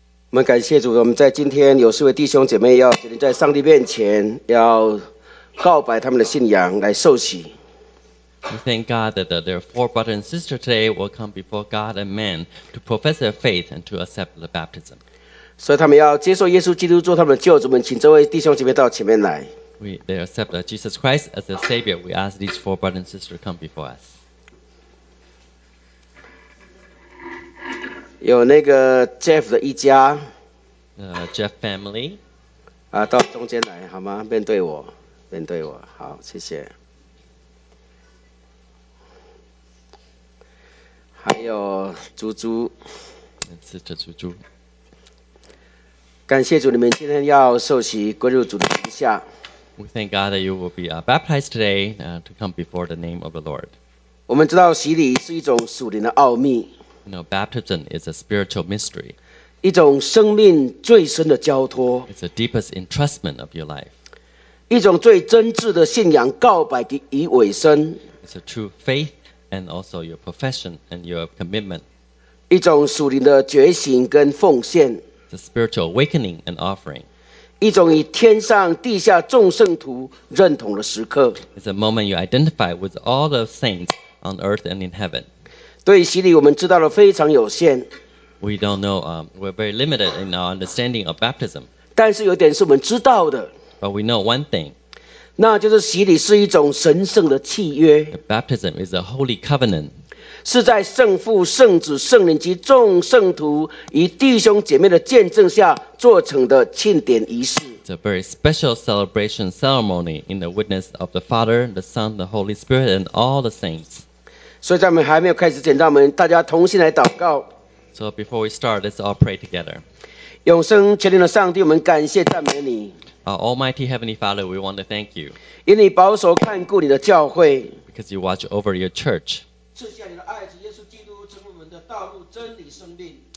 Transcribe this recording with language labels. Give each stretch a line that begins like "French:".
Chinese: 我们感谢主，我们在今天有四位弟兄姐妹要决定在上帝面前要告白他们的信仰来受洗。
English: We thank God that there are four brothers and sisters today will come before God and man to profess their faith and to accept the baptism.
Chinese: 所以他们要接受耶稣基督做他们的救主们，请这位弟兄姐妹到前面来。
English: They accept Jesus Christ as their Savior. We ask these four brothers and sisters come before us.
Chinese: 有那个 Jeff 的一家
English: Jeff family
Chinese: 啊，到中间来好吗？面对我，面对我，好，谢谢。还有猪猪，是这猪猪。感谢主，你们今天要受洗归入主的名下。
English: We thank God that you will be baptized today to come before the name of the Lord.
Chinese: 我们知道洗礼是一种属灵的奥秘。
English: You know, baptism is a spiritual mystery.
Chinese: 一种生命最深的交托。
English: It's the deepest entrustment of your life.
Chinese: 一种最真挚的信仰告白的以尾声。
English: It's a true faith and also your profession and your commitment.
Chinese: 一种属灵的觉醒跟奉献。
English: It's a spiritual awakening and offering.
Chinese: 一种与天上地下众圣徒认同的时刻。
English: It's a moment you identify with all the saints on earth and in heaven.
Chinese: 对洗礼我们知道的非常有限。
English: We don't know, we're very limited in our understanding of baptism.
Chinese: 但是有点是我们知道的。
English: But we know one thing.
Chinese: 那就是洗礼是一种神圣的契约。
English: The、baptism is a holy covenant.
Chinese: 是在圣父、圣子、圣灵及众圣徒与弟兄姐妹的见证下做成的庆典仪式。
English: It's a very special celebration ceremony in the witness of the Father, the Son, the Holy Spirit, and all the saints.
Chinese: 所以在我们还没有开始之前，让我们大家同心来祷告。
English: So before we start, let's all pray together.
Chinese: 永生全能的上帝，我们感谢赞美你。
English: Almighty Heavenly Father, we want to thank you.
Chinese: 因你保守看顾你的教会。
English: Because you watch over your church.
Chinese: 赐下你的爱子耶稣基督成为我们的道路、真理、生命。